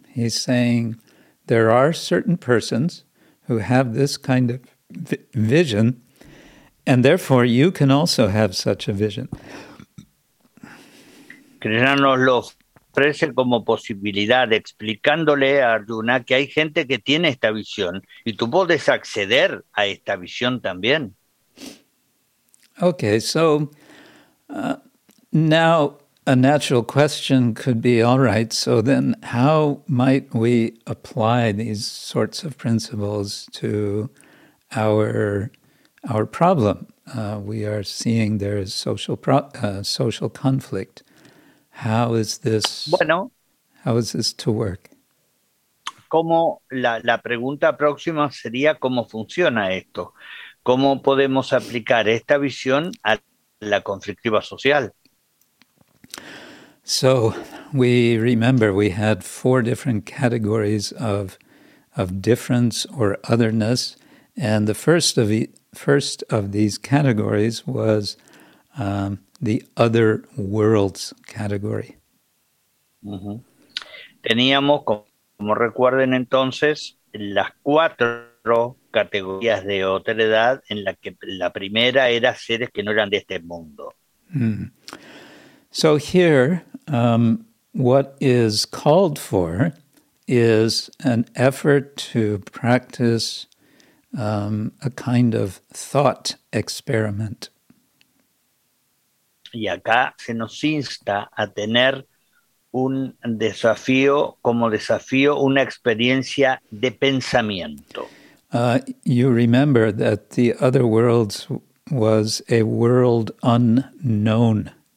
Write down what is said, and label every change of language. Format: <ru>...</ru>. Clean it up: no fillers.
<en>He's saying there are certain persons who have this kind of vision, and therefore you can also have such a vision.</en> <es>Krishna nos lo ofrece como posibilidad, explicándole a Arjuna que hay gente que tiene esta visión y tú puedes acceder a esta visión también.</es> <en>Okay, so now a natural question could be, all right, so then how might we apply these sorts of principles to our problem? We are seeing there is social conflict. How is this to work?</en> <es>Como la pregunta próxima sería cómo funciona esto. ¿Cómo podemos aplicar esta visión a la conflictiva social?</es> <en>So, we remember we had four different categories of difference or otherness, and the first of these categories was the other worlds category.</en> <es>Teníamos, como recuerden entonces, las cuatro categorías de otredad, en la que la primera era seres que no eran de este mundo.</es> <en>Hmm. So here, what is called for is an effort to practice a kind of thought experiment.</en> <es>Y acá se nos insta a tener un desafío, como desafío, una experiencia de pensamiento.</es> <en>You remember that the other worlds was a world unknown.</en>